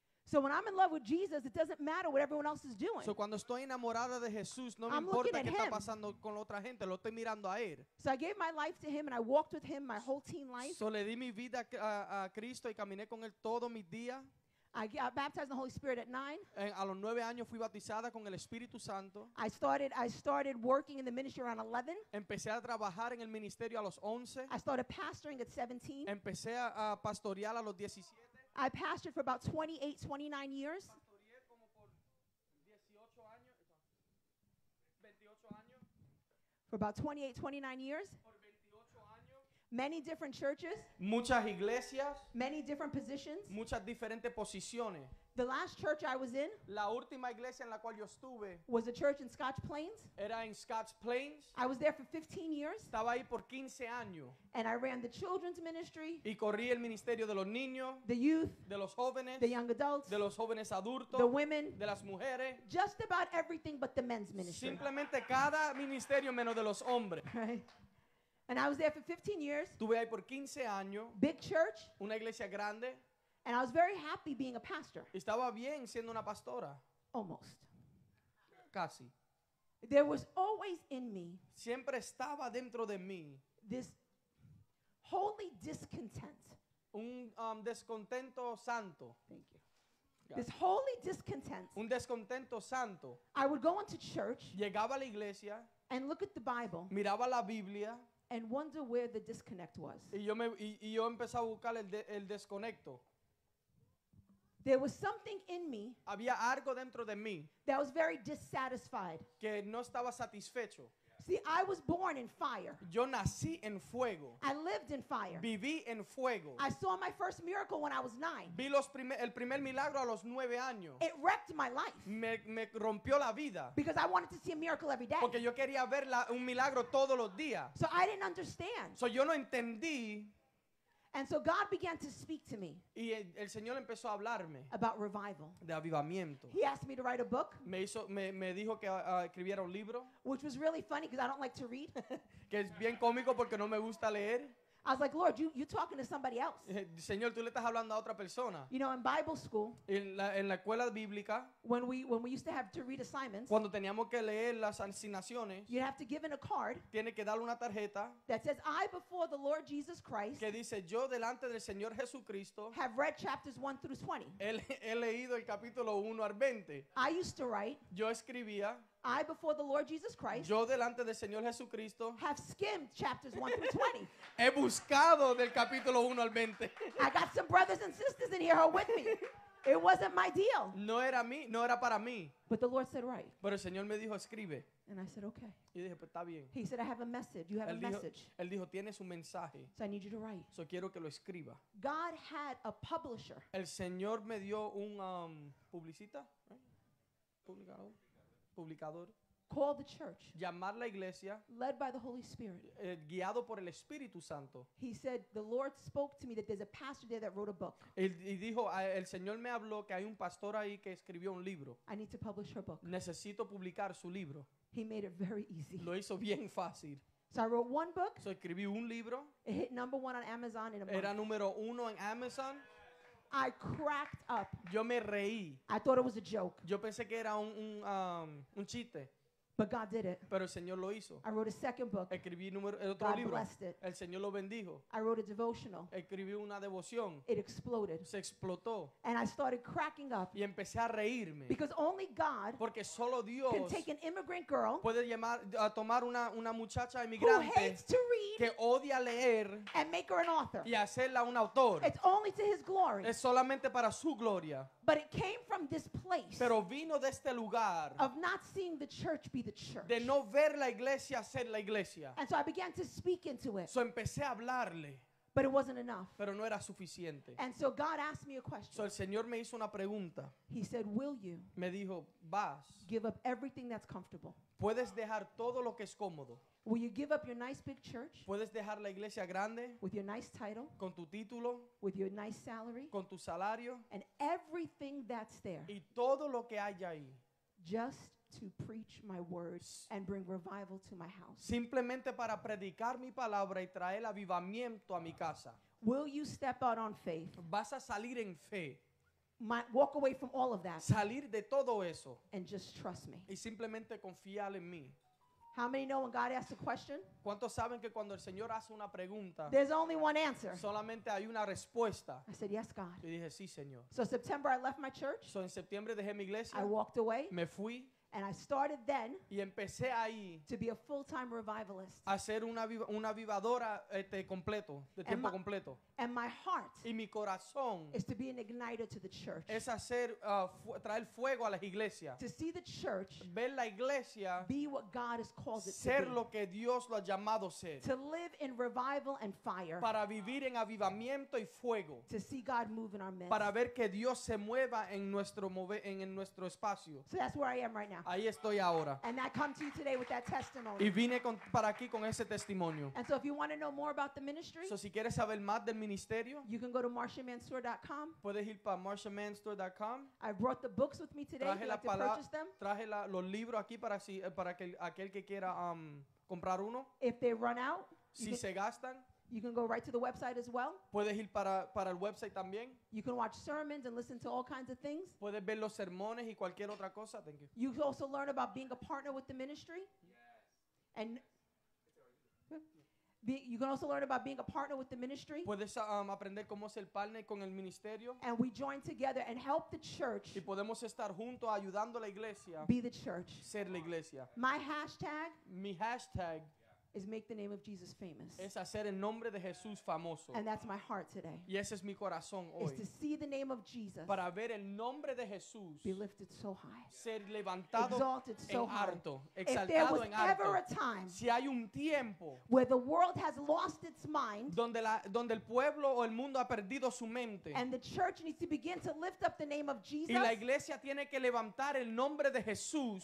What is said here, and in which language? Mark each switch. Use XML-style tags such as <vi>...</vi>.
<en>So when I'm in love with Jesus, it doesn't matter what everyone else is doing.</en> <es>So cuando estoy enamorada de Jesús, no me importa qué está pasando con la otra gente, lo estoy mirando a él.</es> <en>So I gave my life to him and I walked with him my whole teen life.</en> <es>So le di mi vida a Cristo y caminé con él todo mi día.</es> <en>I got baptized in the Holy Spirit at 9.</en> <es>A los 9 años fui bautizada con el Espíritu Santo.</es> <en>I started working in the ministry around 11.</en> <es>Empecé a trabajar en el ministerio a los 11.</es> <en>I started pastoring at 17.</en> <es>Empecé a pastorear a los 17.</es> <en>I pastored for about 28, 29 years. For about 28, 29 years. Many different churches.</en> <es>Muchas iglesias.</es> <en>Many different positions.</en> <es>Muchas diferentes posiciones.</es> <en>The last church I was in.</en> <es>La última iglesia en la cual yo estuve.</es> <en>Was a church in Scotch Plains.</en> <es>Era en Scotch Plains.</es> <en>I was there for 15 years.</en> <es>Estaba ahí por 15 años.</es> <en>And I ran the children's ministry.</en> <es>Y corrí el ministerio de los niños.</es> <en>The youth.</en> <es>De los jóvenes.</es> <en>The young adults.</en> <es>De los jóvenes adultos.</es> <en>The women.</en> <es>De las mujeres.</es> <en>Just about everything but the men's ministry.</en> <es>Simplemente cada ministerio menos de los hombres.</es> <en>Right. And I was there for 15 years.</en> <es>Estuve ahí por 15 años.</es> <en>Big church.</en> <es>Una iglesia grande.</es> <en>And I was very happy being a pastor.</en> <es>Estaba bien siendo una pastora.</es> <en>Almost.</en> <es>Casi.</es> <en>There was always in me.</en> <es>Siempre estaba dentro de mí.</es> <en>This holy discontent.</en> <es>Un descontento santo.</es> <en>Thank you. This holy discontent.</en> <es>Un descontento santo.</es> <en>I would go into church.</en> <es>Llegaba a la iglesia.</es> <en>And look at the Bible.</en> <es>Miraba la Biblia.</es> <en>And wonder where the disconnect was.</en> <es>Y yo empecé a buscar el desconecto.</es> <en>There was something in me.</en> <es>Había algo dentro de mí.</es> <en>That was very dissatisfied.</en> <es>Que no estaba satisfecho.</es> <en>See, I was born in fire.</en> <es>Yo nací en fuego.</es> <en>I lived in fire.</en> <es>Viví en fuego.</es> <en>I saw my first miracle when I was 9.</en> <es>Vi el primer milagro a los 9 años.</es> <en>It wrecked my life.</en> <es>Me rompió la vida.</es> <en>Because I wanted to see a miracle every day.</en> <es>Porque yo quería ver un milagro todos los días.</es> <en>So I didn't understand.</en> <es>So yo no entendí.</es> <en>And so God began to speak to me.</en> <es>Y el Señor empezó a hablarme.</es> <en>About revival.</en> <es>De avivamiento.</es> <en>He asked me to write a book.</en> <es>Me dijo que escribiera un libro.</es> <en>Which was really funny because I don't like to read.</en> <es>Que es bien cómico porque no me gusta leer.</es> <en>I was like, Lord, you're talking to somebody else.</en> <es>Señor, tú le estás hablando a otra persona.</es> <en>You know, in Bible school.</en> <es>En la escuela bíblica.</es> <en>When we used to have to read assignments.</en> <es>Cuando teníamos que leer las asignaciones.</es> <en>You have to give in a card.</en> <es>Tiene que darle una tarjeta.</es> <en>That says, I before the Lord Jesus Christ.</en> <es>Que dice, yo delante del Señor Jesucristo.</es> <en>Have read chapters 1 through 20.</en> <es>He leído el capítulo 1 al 20.</es> <en>I used to write.</en> <es>Yo escribía.</es> <en>I before the Lord Jesus Christ.</en> <es>Yo delante del Señor Jesucristo.</es> <en>Have skimmed chapters 1 through 20.</en> <es>He buscado del capítulo 1 al 20.</es> <en>I got some brothers and sisters in here who are with me. It wasn't my deal.</en> <es>No era mí, no era para mí.</es> <en>But the Lord said, write.</en> <es>Pero el Señor me dijo, escribe.</es> <en>And I said, okay.</en> <es>Y dije, pues está bien.</es> <en>He said, I have a message. You have</en> <es>él dijo,</es> <en>a message.</en> <es>Él dijo, tienes un mensaje.</es> <en>So I need you to write.</en> <es>So quiero que lo escriba.</es> <en>God had a publisher.</en> <es>El Señor me dio un publicista, publicador.</es> <en>Call the church.</en> <es>Llamar la iglesia.</es> <en>Led by the Holy Spirit.</en> <es>Guiado por el Espíritu Santo.</es> <en>He said the Lord spoke to me that there's a pastor there that wrote a book.</en> <es>Y dijo el Señor me habló que hay un pastor ahí que escribió un libro.</es> <en>I need to publish her book.</en> <es>Necesito publicar su libro.</es> <en>He made it very easy.</en> <es>Lo hizo bien fácil.</es> <en>So I wrote one book.</en> <es>So escribí un libro.</es> <en>It hit number one on Amazon in a month.</en> <es>Era número uno en Amazon.</es> <en>I cracked up.</en> <es>Yo me reí.</es> <en>I thought it was a joke.</en> <es>Yo pensé que era un chiste.</es> <en>But God did it.</en> <es>Pero el Señor lo hizo.</es> <en>I wrote a second book.</en> <es>Escribí el otro</es> <en>God</en> <es>libro.</es> <en>Blessed it.</en> <es>El Señor lo bendijo.</es> <en>I wrote a devotional.</en> <es>Escribí una devoción.</es> <en>It exploded.</en> <es>Se explotó.</es> <en>And I started cracking up.</en> <es>Y empecé a reírme.</es> <en>Because only God.</en> <es>Porque solo Dios.</es> <en>Can take an immigrant girl.</en> <es>Puede llamar a tomar una muchacha inmigrante.</es> <en>Who hates to read.</en> <es>Que odia leer.</es> <en>And make her an author.</en> <es>Y hacerla un autor.</es> <en>It's only to His glory.</en> <es>Es solamente para su gloria.</es> <en>But it came from this place.</en> <es>Pero vino de este lugar.</es> <en>Of not seeing the church be the church.</en> <es>De no ver la iglesia ser la iglesia.</es> <en>And so I began to speak into it.</en> <es>So empecé a hablarle.</es> <en>But it wasn't enough.</en> <es>Pero no era suficiente.</es> <en>And so God asked me a question.</en> <es>So el Señor me hizo una pregunta.</es> <en>He said, "Will you?"</en> <es>Me dijo, "Vas."</es> <en>Give up everything that's comfortable.</en> <es>Puedes dejar todo lo que es cómodo.</es> <en>Will you give up your nice big church?</en> <es>Puedes dejar la iglesia grande.</es> <en>With your nice title.</en> <es>Con tu título.</es> <en>With your nice salary.</en> <es>Con tu salario.</es> <en>And everything that's there.</en> <es>Y todo lo que hay ahí.</es> <en>Just to preach my words and bring revival to my house.</en> <es>Simplemente para predicar mi palabra y traer avivamiento a mi casa.</es> <en>Will you step out on faith?</en> <es>Vas a salir en fe.</es> <en>my, walk away from all of that.</en> <es>Salir de todo eso.</es> <en>And just trust me.</en> <es>Y simplemente confiar en mí.</es> <en>How many know when God asks a question?</en> <es>¿Cuántos saben que cuando el Señor hace una pregunta,</es> <en>there's only one answer.</en> <es>Solamente hay una respuesta.</es> <en>I said, yes, God.</en> <es>Y dije, sí, Señor.</es> <en>So September I left my church.</en> <es>So en septiembre dejé mi iglesia.</es> <en>I walked away.</en> <es>Me fui.</es> <en>And I started then</en> <es>y empecé ahí</es> <en>to be a full-time revivalist.</en> <es>A ser una avivadora completo, de tiempo</es> <en>and my,</en> <es>completo.</es> <en>And my heart</en> <es>y mi corazón</es> <en>is to be an igniter to the church.</en> <es>Es hacer, traer fuego a las iglesias.</es> <en>To see the church</en> <es>ver la iglesia</es> <en>be what God has called it to be.</en> <es>Ser lo que Dios lo ha llamado ser.</es> <en>To live in revival and fire.</en> <es>Para vivir en avivamiento y fuego.</es> <en>To see God move in our midst.</en> <es>Para ver que Dios se mueva en nuestro espacio.</es> <en>So that's where I am right now.</en> <es>Ahí estoy ahora.</es> <en>And I come to you today with that testimony.</en> <es>Y vine para aquí con ese testimonio.</es> <en>And so if you want to know more about the ministry,</en> <es>so si quieres saber más del ministerio,</es> <en>you can go to MarshallManStore.com.</en> <es>Puedes ir para MarshallManStore.com.</es> <en>I brought the books with me today.</en> <es>Traje</es> <en>if you like to purchase them.</en> <es>Traje los libros aquí para que aquel que quiera comprar uno.</es> <en>If they run out,</en> <es>si se gastan.</es> <en>You can go right to the website as well.</en> <es>Puedes ir para el website también.</es> <en>You can watch sermons and listen to all kinds of things.</en> <es>Puedes ver los sermones y cualquier otra cosa.</es> <en>Thank you. You can also learn about being a partner with the ministry. Yes. And you can also learn about being a partner with the ministry.</en> <es>Puedes aprender cómo ser partner con el ministerio.</es> <en>And we join together and help the church.</en> <es>Y podemos estar juntos ayudando a la iglesia.</es> <en>Be the church.</en> <es>Ser la iglesia. Mi hashtag.</es> <en>Is make the name of Jesus famous.</en> <es>Es hacer el nombre de Jesús famoso.</es> <en>And that's my heart today.</en> <es>Y ese es mi corazón hoy.</es> <en>Is to see the name of Jesus.</en> <es>Para ver el nombre de Jesús.</es> <en>Be lifted so high.</en> <es>Ser levantado</es> <en>exalted so</en> <es>en alto. Exaltado</es> <en>if there was ever a time.</en> <es>Si hay un tiempo.</es> <en>Where the world has lost its mind.</en> <es>Donde el pueblo o el mundo ha perdido su mente.</es> <en>And the church needs to begin to lift up the name of Jesus.</en> <es>Y la iglesia tiene que levantar el nombre de Jesús.</es>